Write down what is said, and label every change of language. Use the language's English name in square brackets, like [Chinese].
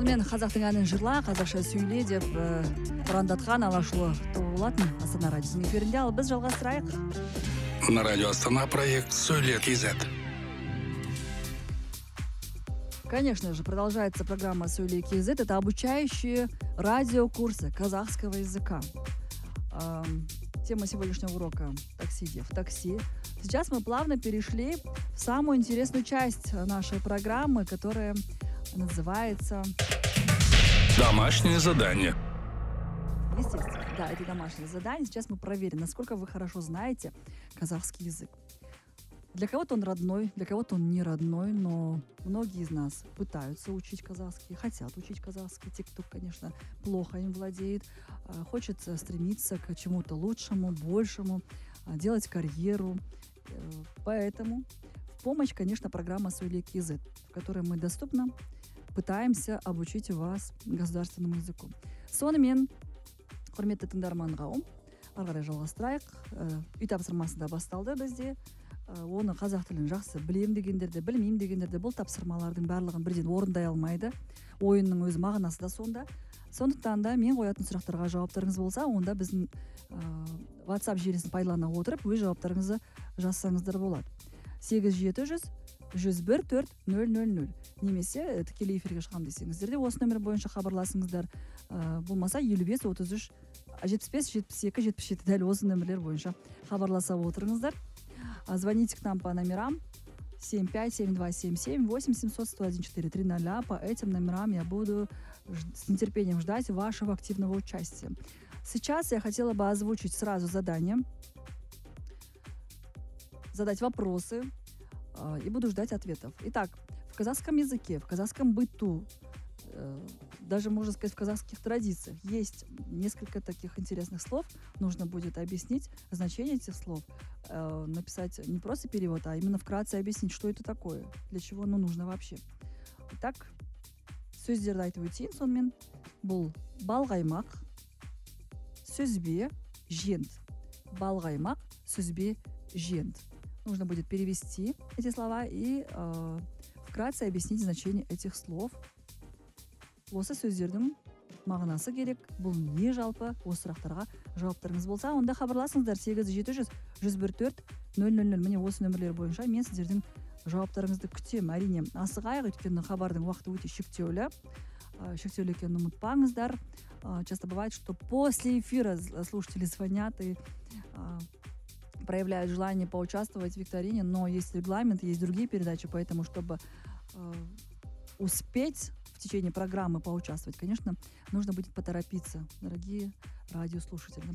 [Kazakh] Қазақтың әнін жырла, қазақша сөйле деп ұрандатқан алашұлы тобы болатын Астана радиосының эфирінде, ал біз жалғастырайық. [Russian] На радио Астана проект «Сөйле.кз». Конечно же, продолжается программа «Сөйле.кз». Это обучающие радиокурсы казахского языка. Тема сегодняшнего урока «Таксиде в такси». Сейчас мы плавно перешли в самую интересную часть нашей программы, которая называется... Домашнее задание. Естественно, да, это домашнее задание. Сейчас мы проверим, насколько вы хорошо знаете казахский язык. Для кого-то он родной, для кого-то он не родной, но многие из нас пытаются учить казахский, хотят учить казахский. TikTok, конечно, плохо им владеет. Хочется стремиться к чему-то лучшему, большему, делать карьеру. Поэтому в помощь, конечно, программа «Сөйлейік.кз», в которой мы доступно пытаемся обучить вас государственному языку. [Kazakh] Сонымен, құрметті тыңдарманға, ары қарай жалғастырайық. Үй тапсырмасы да басталды бізде. Оны қазақ тілін жақсы білем дегендерде, білмеймін дегендерде бұл тапсырмалардың барлығын бірден орындай алмайды. Ойынның өз мағынасы да сонда. Сондықтан да мен қоятын сұрақтарға жауаптарыңыз болса, онда біздің WhatsApp желісін пайдалана отырып, өз жауаптарыңызды жазсаңыздар болады. 8700-101-4000. Немесе тікелей эфирге шығам десеңіздер де осы номер бойынша хабарласыңыздар. Болмаса 55-33-75-72-77 дәл осы номерлер бойынша хабарласа отырыңыздар. [Russian] Звоните к нам по номерам 75-72-77-8-700-101-4-300. По этим номерам я буду с нетерпением ждать вашего активного участия. Сейчас я хотела бы озвучить сразу задание, задать вопросы и буду ждать ответов. Итак, в казахском языке, в казахском быту, даже, можно сказать, в казахских традициях есть несколько таких интересных слов. Нужно будет объяснить значение этих слов, написать не просто перевод, а именно вкратце объяснить, что это такое, для чего оно нужно вообще. Итак, [Kazakh] сөздерді айтып өтейін сонымен. Бұл балғаймақ, сөзбе, жент. Балғаймақ, сөзбе, жент. [Russian] Нужно будет перевести эти слова и вкратце объяснить значение этих слов. [Kazakh] Осы сөздердің мағынасы керек, бұл не жалпы, осы сұрақтарға жауаптарыңыз болса, онда хабарласыңыздар 8700-101-4000. Міне осы нөмірлер бойынша мен сіздердің жауаптарыңызды күтем. Әрине, асығайық, өйткені хабардың уақыты өте шектеулі. Шектеулі екенін ұмытпаңыздар. [Russian] Часто бывает, что после эфира слушатели звонят и проявляют желание поучаствовать в викторине, но есть регламент, есть другие передачи, поэтому, чтобы успеть в течение программы поучаствовать, конечно, нужно будет поторопиться, дорогие радиослушатели.